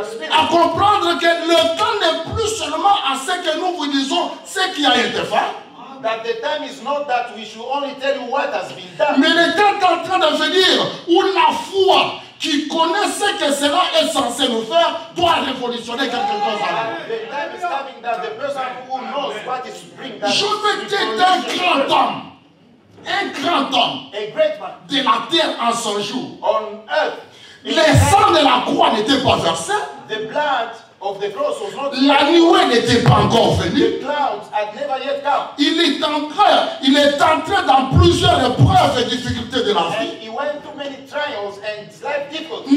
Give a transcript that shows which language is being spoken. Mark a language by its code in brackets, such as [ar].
[fr] À comprendre que le temps n'est plus seulement à ce que nous vous disons ce qui a été fait. [en] That the time is not that we should only tell you what has been done. [fr] Mais le temps est en train de venir où la foi qui connaît ce que cela est censé nous faire doit révolutionner quelque chose. [en] The time is coming that the person who knows what is bring. [fr] Je veux être un grand homme, [en] a great man, [fr] de la terre en son jour. [en] On earth. [fr] Le sang de la croix n'était pas versé. [en] The blood of the cross was not. [fr] La nuée n'était pas encore venue. [en] The clouds had never yet come. [fr] Il est entré dans plusieurs épreuves et difficultés de la vie. [en] And he went through many trials and life difficulties.